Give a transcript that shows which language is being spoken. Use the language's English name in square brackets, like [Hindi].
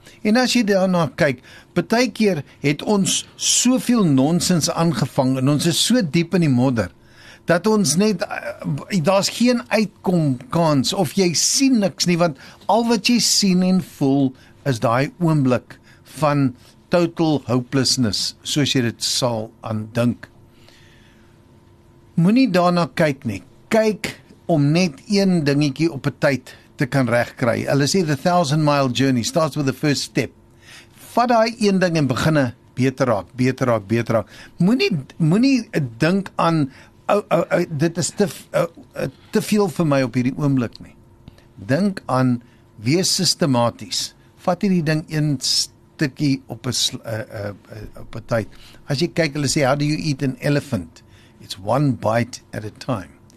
[Afrikaans] En as jy daarna kyk, baie keer het ons soveel nonsens aangevang en ons is so diep in die modder dat ons net, daar's geen uitkom kans, of jy sien niks nie, want al wat jy sien en voel, is daai oomblik van [English] total hopelessness, [Afrikaans] soos jy dit sal aan dink. Moenie daarna kyk nie, kyk om net een dingetjie op 'n tyd te kan regkry. Hulle sê, [English] the 1,000-mile journey starts with the first step. [Afrikaans] Vat daai een ding en beginne beter raak. Moenie dink aan, dit is te veel vir my op hierdie oomblik nie. Dink aan, wees sistematies. Vat hierdie ding een stukkie op 'n tyd. As jy kyk, hulle sê, [English] how do you eat an elephant? It's one bite at a time.